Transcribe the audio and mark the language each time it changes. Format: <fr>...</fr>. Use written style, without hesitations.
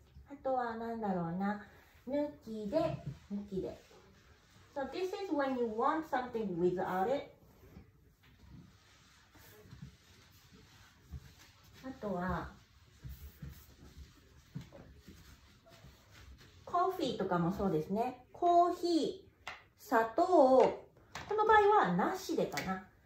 <ja>あとはなんだろうな、抜きで、抜きで。</ja> <en>So this is when you want something without it.</en> <ja>あとは、コーヒーとかもそうですね。コーヒー、砂糖を、この場合はなしでかな。</ja>